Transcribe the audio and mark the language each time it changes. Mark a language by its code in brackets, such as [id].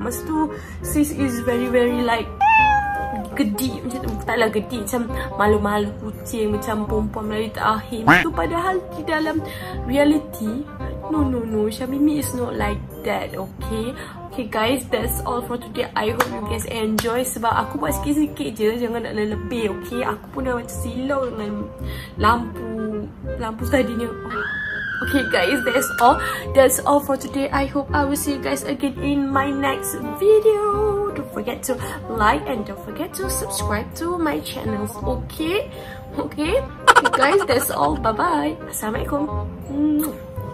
[ms] Masa tu, sis [en] is very very like [ms] gedik macam tu. Taklah gedik macam malu-malu kucing macam perempuan Melayu terakhir. Itu padahal di dalam reality, no. [en] Syamimi is not like that, okay? Okay guys, that's all for today. I hope you guys enjoy [ms] sebab aku buat sikit-sikit je. Jangan nak lebih, okay? Aku pun dah macam silau dengan lampu tadinya. [en] Okay guys, that's all for today. I hope I will see you guys again in my next video. Don't forget to like and don't forget to subscribe to my channels. Okay guys, that's all. Bye bye. Assalamualaikum.